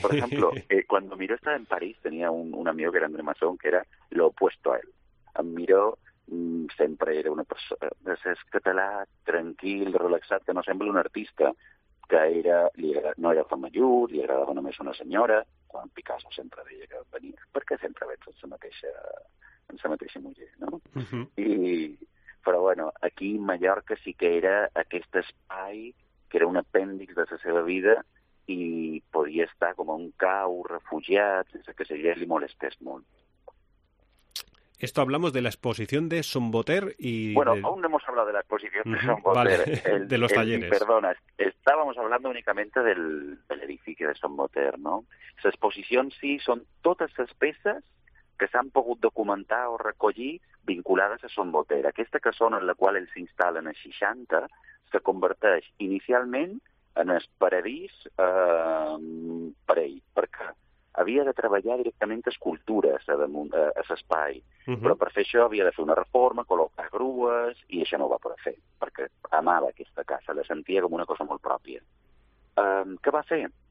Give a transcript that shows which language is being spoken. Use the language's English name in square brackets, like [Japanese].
[Spanish] Por ejemplo, cuando Miró estaba en París, tenía un amigo que era André Masson, que era lo opuesto a él. [Catalan] En Miró sempre era una persona... És català, tranquil, relaxat, que no sembla un artista, que era, no era famallut, li agradava només una senyora, quan Picasso sempre deia que venia, perquè sempre veig en sa mateixa muller, no? Uh-huh. Però, bueno, aquí a Mallorca sí que era aquest espai que era un apèndix de la seva vida i podia estar com a un cau refugiat, sense que se li molestés molt. [Spanish] Esto hablamos de la exposición de Son Boter y... Bueno, aún no hemos hablado de la exposición de Son Boter. Vale, de los talleres. Perdona, estábamos hablando únicamente del edificio de Son Boter, ¿no? Esa exposición sí, son todas esas piezas [Catalan] que s'han pogut documentar o recollir vinculades a Son Botera. Aquesta casona en la qual ells s'instal·len a 60 se converteix inicialment en el paradís per ell, perquè havia de treballar directament escultures a l'espai. Però per fer això havia de fer una reforma, col·locar grues, i això no ho va poder fer, perquè amava aquesta casa, la sentia com una cosa molt pròpia. Què va fer?